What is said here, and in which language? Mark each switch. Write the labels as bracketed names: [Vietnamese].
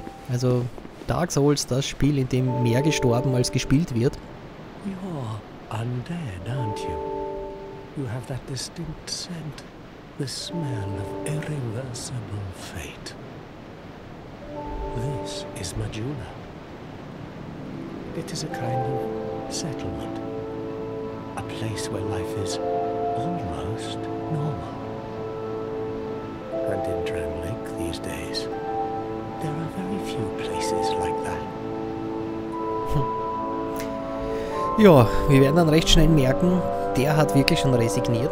[German] Also Dark Souls, das Spiel, in dem mehr gestorben als gespielt wird. [English] You're undead, aren't you? You have that distinct scent, the smell of irreversible fate. This is Majula. It is a kind of settlement, a place where life is almost normal. And in Drangleic these days, there are very few places like that. [German] Ja, wir werden dann recht schnell merken, der hat wirklich schon resigniert.